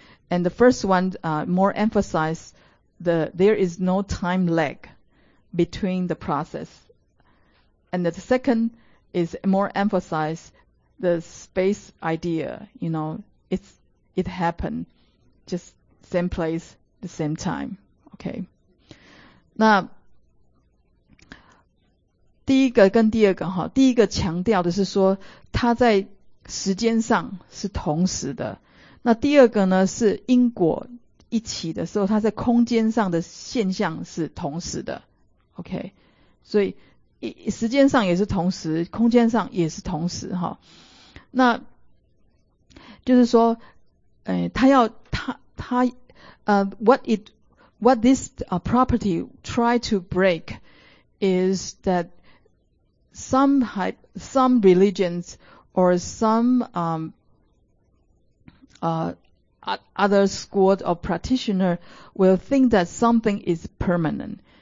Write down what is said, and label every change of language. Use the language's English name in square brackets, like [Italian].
[English] And the first one more emphasized that there is no time lag between the process. And the second is more emphasized. The space idea, you know, it happened just same place, the same time. Okay. 那 [Chinese] 第一个跟第二个哈，第一个强调的是说它在时间上是同时的，那第二个呢是因果一起的时候，它在空间上的现象是同时的。 OK， 所以时间上也是同时，空间上也是同时哈。那就是说，他要他 [English] what this property try to break is that some religions or some other schools of practitioner will think that something is permanent.